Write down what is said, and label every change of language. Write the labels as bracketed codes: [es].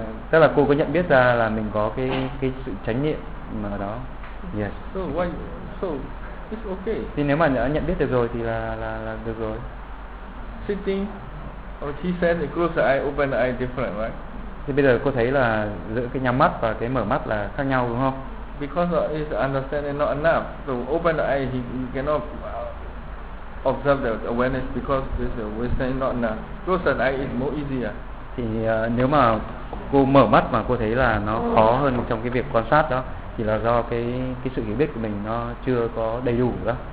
[vi] Tức là cô có nhận biết ra là mình có cái sự chánh niệm mà đó. [en] Yes. So it's okay. [vi] Thì nếu mà đã nhận biết được rồi thì là được rồi. [en] Sitting, or she said they close the eye, open the eye different, right? [vi] Thì bây giờ cô thấy là giữa cái nhắm mắt và cái mở mắt là khác nhau đúng không? [en] Because it's understanding not enough. So open the eye, he cannot observe the awareness because this understanding not enough. Close the eye is more easier. [vi] Thì nếu mà cô mở mắt mà cô thấy là nó khó hơn trong cái việc quan sát đó, thì là do cái sự hiểu biết của mình nó chưa có đầy đủ đó.